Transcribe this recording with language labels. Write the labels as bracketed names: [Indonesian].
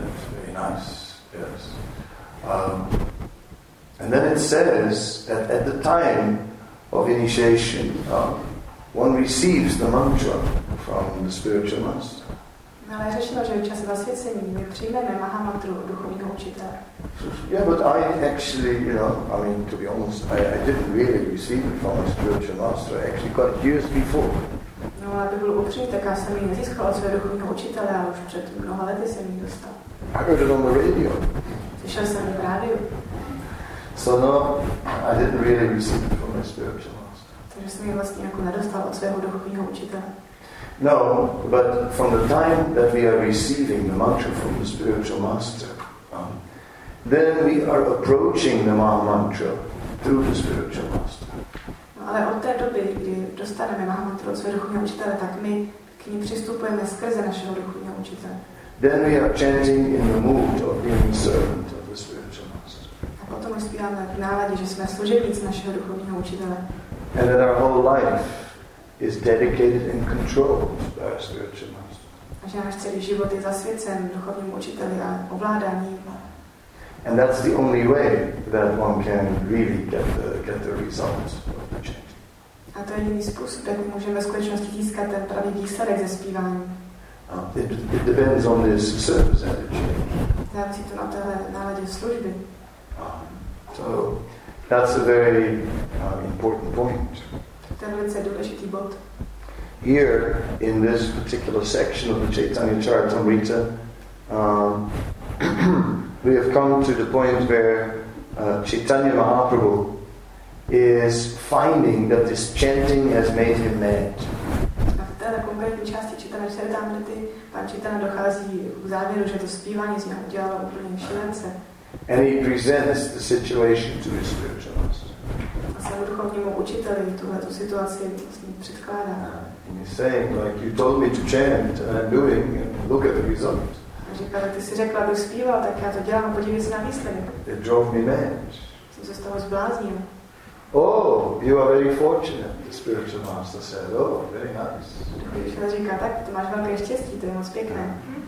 [English] That's very nice. Yes. And then it says that at the time of initiation, one receives the mantra from the spiritual master. Yeah, but I actually, to be honest, I didn't really receive it from a spiritual master. I actually got it years before. [Czech] No, ale to bylo upřímně, tak já jsem ji nezískal od svého duchovního učitele, ale už před mnoha lety jsem ji dostal. [English] I heard it on the radio. [Czech] Slyšel jsem ji v rádiu. [English] So no, I didn't really receive it from my spiritual master. [Czech] Takže jsem ji vlastně jako nedostal od svého duchovního učitele. [English] No, but from the time that we are receiving the mantra from the spiritual master, then we are approaching the Maha Mantra through the spiritual master. [Czech] Ale od té doby, kdy dostaneme Maha Mantru od svého duchovního učitele, tak my k ní přistupujeme skrze našeho duchovního učitele. [English] Then we are chanting in the mood of being servant of the spiritual master. [Czech] A potom zpíváme v náladě, že jsme služebníci našeho duchovního učitele. [English] And that our whole life is dedicated and controlled by our spiritual master. [Czech] A že náš celý život je zasvěcen duchovnímu učiteli a ovládání. [English] And that's the only way that one can really get the results of the chanting. [Czech] A to je jediný způsob, jak můžeme skutečnosti získat ten pravý výsledek ze zpívání. [English] It depends on this service attitude. [Czech] Závisí to na téhle náladě služby. [English] So that's a very important point. [Czech] To je velice důležitý bod. [English] Here in this particular section of the Chaitanya Charitamrita, we have come to the point where Chaitanya Mahaprabhu is finding that this chanting has made him mad. [Czech] A v této konkrétní části Chaitanya Charitamrity pan Chaitanya dochází k závěru, že to zpívání z něho udělalo úplně šilence. [English] And he presents the situation to his spiritual master. [Czech] A svému duchovnímu učiteli tuhletu situaci předkládá. [English] And he's saying, like, you told me to chant, and I'm doing, and look at the result. [Czech] Říkala, ty jsi řekla, abych zpíval, tak já to dělám, podívej se na výsledek. [English] It drove me mad. [Czech] Jsem se z toho zbláznil. [English] Oh, you are very fortunate, the spiritual master said. Oh, very nice. [Czech] Duchovní říká, tak to máš velké štěstí, to je moc pěkné.